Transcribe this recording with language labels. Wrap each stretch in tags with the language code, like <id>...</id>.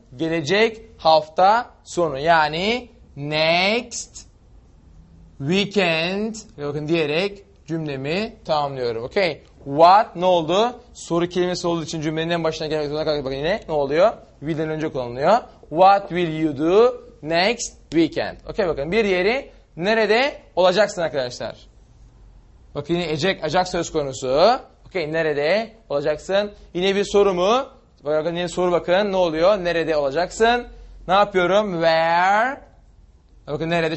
<tr>Gelecek hafta sonu. Yani next weekend. Bakın diyerek cümlemi tamamlıyorum. Okay. What ne oldu? Soru kelimesi olduğu için cümlenin en başına gelmek zorunda kalacak. Bakın yine ne oluyor? Will'den önce kullanılıyor.</tr> <en>What will you do next weekend?</en> <tr>Okay bakın bir yeri nerede olacaksın arkadaşlar? Bakın yine acak söz konusu. Okay nerede olacaksın? Yine bir soru mu? Bakın yine soru bakın ne oluyor? Nerede olacaksın? Ne yapıyorum? Where? Bakın nerede?</tr>